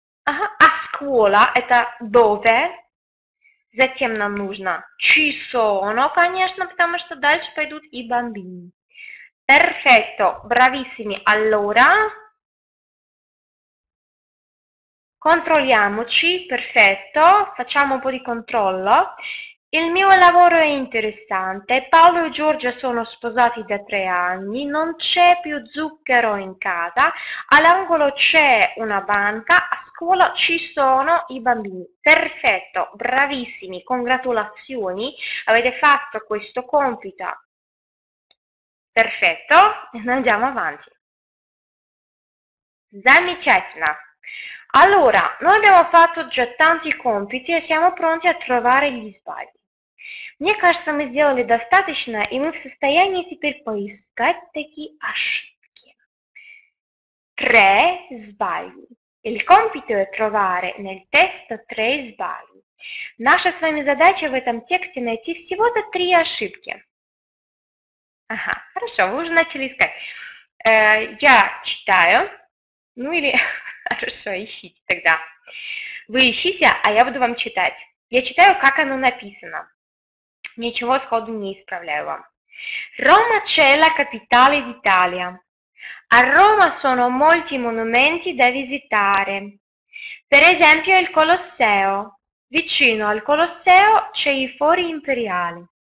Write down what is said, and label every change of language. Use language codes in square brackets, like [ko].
[it] A scuola, это dove? [ru] Затем нам нужно [it] ci sono, [ru] конечно, потому что дальше пойдут и bambini. [it] Perfetto, bravissimi. Allora, controlliamoci, perfetto, facciamo un po' di controllo. Il mio lavoro è interessante. Paolo e Giorgia sono sposati da 3 anni. Non c'è più zucchero in casa. All'angolo c'è una banca. A scuola ci sono i bambini. Perfetto, bravissimi. Congratulazioni. Avete fatto questo compito. Perfetto. E noi andiamo avanti. [ru] Замечательно. [it] Allora, noi abbiamo fatto già tanti compiti e siamo pronti a trovare gli sbagli. [ru] Мне кажется, мы сделали достаточно, и мы в состоянии теперь поискать такие ошибки. [it] Tre sbagli. Il compito è trovare nel testo tre sbagli. [ru] Наша с вами задача в этом тексте найти всего-то три ошибки. Ага, хорошо, вы уже начали искать. Я читаю. Ну или... Хорошо, ищите тогда. Вы ищите, а я буду вам читать. Я читаю, как оно написано. Ничего сходу не исправляю вам. [it] Рома c'è la capitale d'Italia. A Roma sono molti monumenti da visitare. Per esempio il Colosseo. Vicino al Colosseo c'è i Fori Imperiali.